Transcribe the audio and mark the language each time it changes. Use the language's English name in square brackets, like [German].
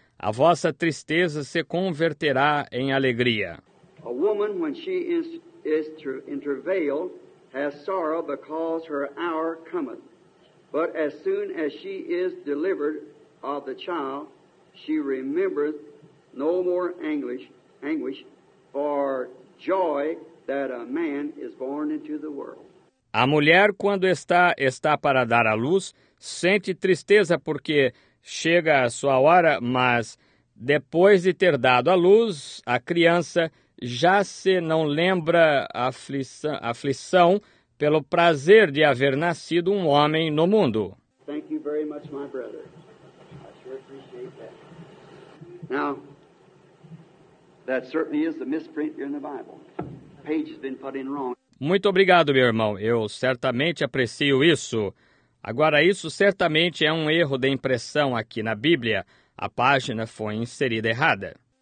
[Portuguese] A vossa tristeza se converterá em alegria. [English] A woman, when she is is in travail, has sorrow because her hour cometh. But as soon as she is delivered of the child, she remembereth no more anguish for joy that a man is born into the world. [Portuguese] A mulher, quando está para dar à luz, sente tristeza porque chega a sua hora, mas depois de ter dado à luz, a criança já se não lembra aflição pelo prazer de haver nascido um homem no mundo. [English] Thank you very much, my brother. I sure appreciate that. Now, that certainly is the misprint here in the Bible. The page has been put in wrong. [Portuguese] Muito obrigado, meu irmão. Eu certamente aprecio isso. Agora, isso certamente é um erro de impressão aqui na Bíblia. A página foi inserida errada.